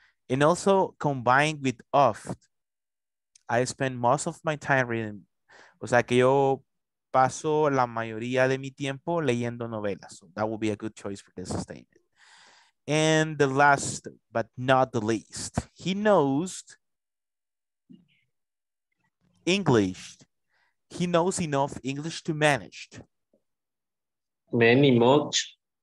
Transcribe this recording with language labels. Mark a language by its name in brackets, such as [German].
[English] And also combined with oft, I spend most of my time reading. [Spanish] O sea que yo paso la mayoría de mi tiempo leyendo novelas. [English] So that would be a good choice for this statement. And the last, but not the least, he knows English. He knows enough English to manage. Many, much?